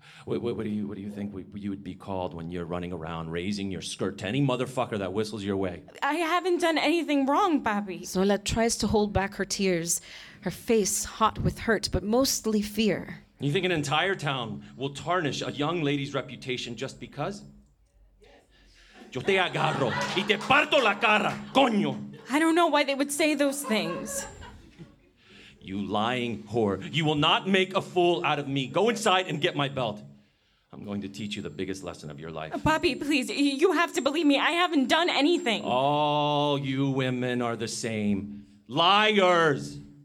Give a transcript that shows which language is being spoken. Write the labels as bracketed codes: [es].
[en] What do you think you would be called when you're running around raising your skirt to any motherfucker that whistles your way? I haven't done anything wrong, Papi. Soyla tries to hold back her tears, her face hot with hurt, but mostly fear. You think an entire town will tarnish a young lady's reputation just because? [es] Yo te agarro y te parto la cara, coño. [en] I don't know why they would say those things. You lying whore. You will not make a fool out of me. Go inside and get my belt. I'm going to teach you the biggest lesson of your life. Papi, please, you have to believe me. I haven't done anything. All you women are the same. Liars!